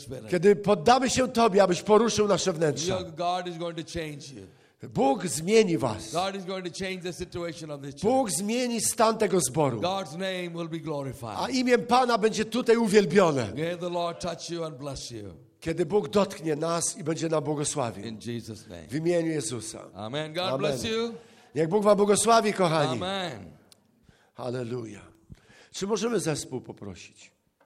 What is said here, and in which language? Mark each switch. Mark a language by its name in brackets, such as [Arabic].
[Polish] Kiedy poddamy się Tobie, abyś poruszył nasze wnętrza. [English] God is going to change you. [Polish] Bóg zmieni was. [English] God is going to change the situation of this church. [Polish] Bóg zmieni stan tego zboru. [English] God's name will be glorified. [Polish] A imię Pana będzie tutaj uwielbione. [English] May the Lord touch you and bless you. [Polish] Kiedy Bóg dotknie nas i będzie nam błogosławił. [English] In Jesus' name. [Polish] W imieniu Jezusa. [English] Amen. God Amen. Bless you. [Polish] Niech Bóg wam błogosławi, kochani. [English] Amen. [Polish] Hallelujah. Czy możemy zespół poprosić?